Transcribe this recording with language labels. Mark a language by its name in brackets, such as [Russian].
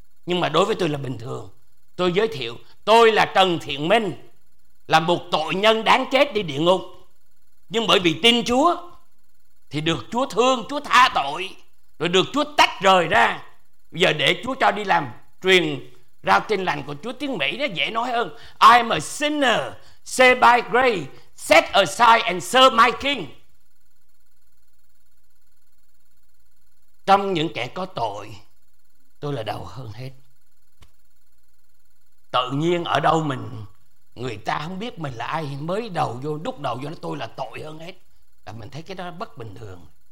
[Vietnamese] Nhưng mà đối với tôi là bình thường. Tôi giới thiệu tôi là Trần Thiện Minh, là một tội nhân đáng chết đi địa ngục. Nhưng bởi vì tin Chúa thì được Chúa thương, Chúa tha tội, rồi được Chúa tách rời ra. Bây giờ để Chúa cho đi làm truyền rao tin lành của Chúa tiếng Mỹ, nó dễ nói hơn. [English] I am a sinner saved by grace, set aside and serve my king. [Vietnamese] Trong những kẻ có tội tôi là đầu hơn hết. Tự nhiên ở đâu mình, người ta không biết mình là ai, mới đầu vô, đúc đầu vô nó tôi là tội hơn hết, là mình thấy cái đó bất bình thường.